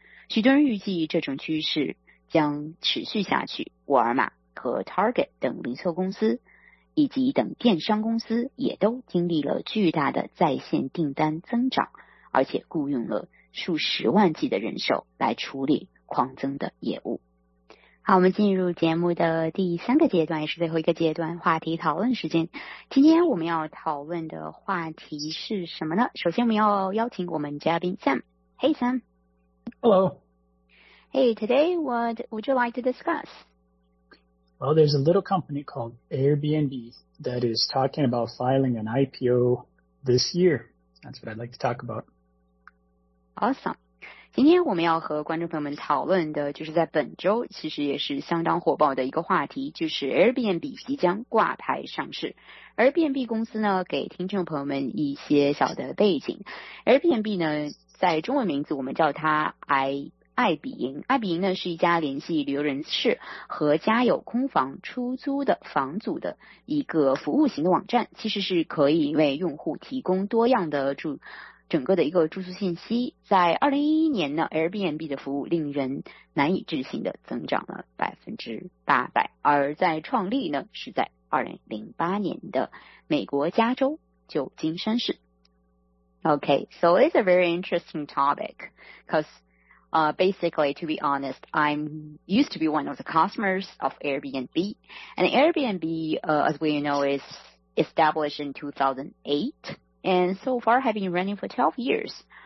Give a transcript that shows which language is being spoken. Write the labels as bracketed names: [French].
[Chinese] 许多人预计这种趋势将持续下去，沃尔玛和 Target 等零售公司以及等电商公司也都经历了巨大的在线订单增长，而且雇佣了数十万计的人手来处理狂增的业务。好，我们进入节目的第三个阶段，也是最后一个阶段，话题讨论时间。今天我们要讨论的话题是什么呢？首先我们要邀请我们嘉宾 Sam。 [English] Hey Sam。 Hello。 Hey, today what would you like to discuss? Well, there's a little company called Airbnb that is talking about filing an IPO this year. That's what I'd like to talk about. Awesome. [Chinese] 今天我们要和观众朋友们讨论的就是在本周其实也是相当火爆的一个话题，就是 Airbnb 即将挂牌上市。 Airbnb 公司呢，给听众朋友们一些小的背景， Airbnb 呢在中文名字我们叫它爱彼迎。爱彼迎呢是一家联系旅游人士和家有空房出租的房主的一个服务型的网站，其实是可以为用户提供多样的整个的一个住宿信息，在2011年呢 Airbnb 的服务令人难以置信的增长了 800%， 而在创立呢是在2008年的美国加州旧金山市。 [English] OK, so it's a very interesting topic because、basically to be honest, I'm used to be one of the customers of Airbnb, and Airbnb、as we know is established in 2008, and so far have been running for 12 years.